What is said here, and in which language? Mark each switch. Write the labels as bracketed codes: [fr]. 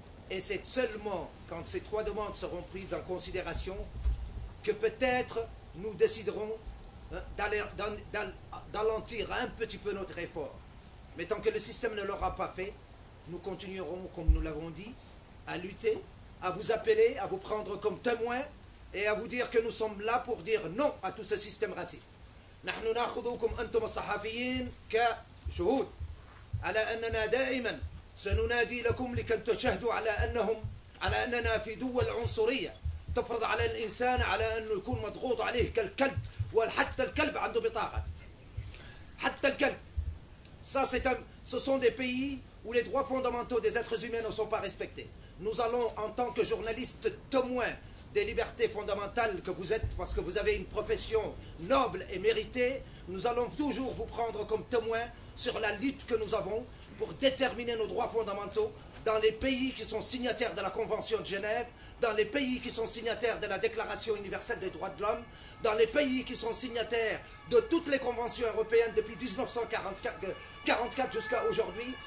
[fr] Et c'est seulement quand ces trois demandes seront prises en considération que peut-être nous déciderons d'alentir un petit peu notre effort. Mais tant que le système ne l'aura pas fait, nous continuerons, comme nous l'avons dit, à lutter, à vous appeler, à vous prendre comme témoin et à vous dire que nous sommes là pour dire non à tout ce système raciste. [ar] نحن نأخذكم أنتم الصحفيين كشهود على أننا دائما سننادي لكم لكي تشهدوا على أنهم على أننا في دول عنصرية تفرض على الإنسان على أنه يكون مضغوط عليه كالكلب وحتى الكلب عنده بطاقة حتى الكلب. [fr] Ça, c'est un, ce sont des pays où les droits fondamentaux des êtres humains ne sont pas respectés. Nous allons, en tant que journalistes témoins des libertés fondamentales que vous êtes, parce que vous avez une profession noble et méritée, nous allons toujours vous prendre comme témoins sur la lutte que nous avons pour déterminer nos droits fondamentaux dans les pays qui sont signataires de la Convention de Genève, dans les pays qui sont signataires de la Déclaration universelle des droits de l'homme, dans les pays qui sont signataires de toutes les conventions européennes depuis 1944 jusqu'à aujourd'hui.